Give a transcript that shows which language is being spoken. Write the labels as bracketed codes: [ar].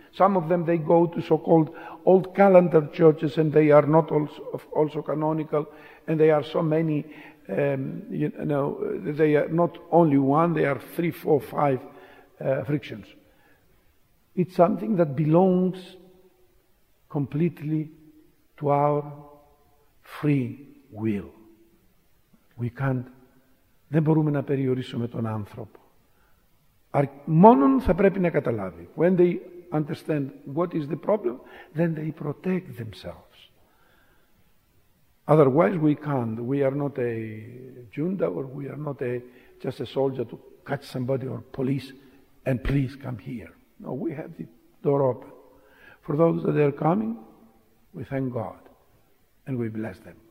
[en] Some of them, they go to so-called old calendar churches, and they are not also canonical, and they are so many, they are not only one, they are three, four, five frictions. It's something that belongs completely to our free will. We can't, [el] δεν μπορούμε να περιορίσουμε τον άνθρωπο. Μόνον θα πρέπει να καταλάβει. [en] When they understand what is the problem, then they protect themselves. Otherwise, we can't. We are not a junta, or we are not just a soldier to catch somebody or police and please come here. No, we have the door open. For those that are coming, we thank God and we bless them.